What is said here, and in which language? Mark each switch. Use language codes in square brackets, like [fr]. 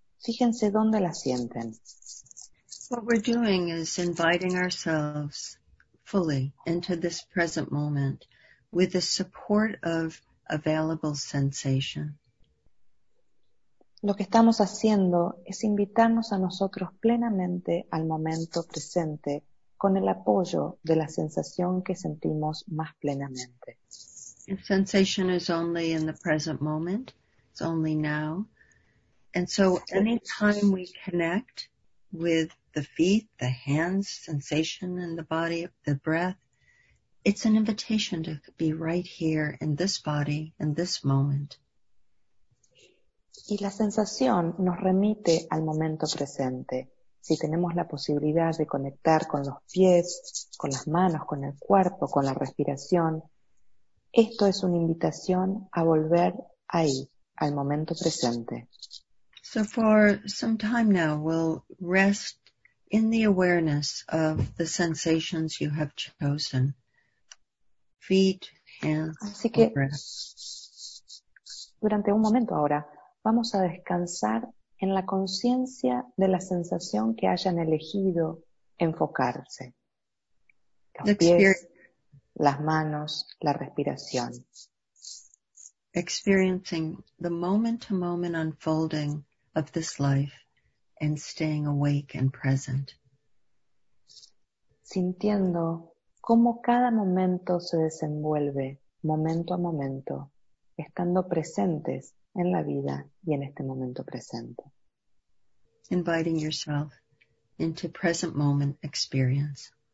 [es] Fíjense dónde la sienten. [en] What we're doing is inviting ourselves fully into this present moment with the support of available sensation. [es] Lo que estamos haciendo es invitarnos a nosotros plenamente al momento presente con el apoyo de la sensación que sentimos más plenamente. [en] If sensation is only in the present moment, it's only now. And so anytime we connect with the feet, the hands, sensation in the body, the breath, it's an invitation to be right here in this body, in this moment. [es] Y la sensación nos remite al momento presente. Si tenemos la posibilidad de conectar con los pies, con las manos, con el cuerpo, con la respiración, esto es una invitación a volver ahí, al momento presente. [en] So for some time now, we'll rest in the awareness of the sensations you have chosen. Feet, hands, [es] así que, durante un momento ahora, vamos a descansar en la conciencia de la sensación que hayan elegido enfocarse. Los pies, las manos, la respiración. [en] Experiencing the moment-to-moment unfolding of this life and staying awake and present. [es] Sintiendo cómo cada momento se desenvuelve, momento a momento, estando presentes en la vida y en este momento presente. [en] Inviting yourself into present moment experience.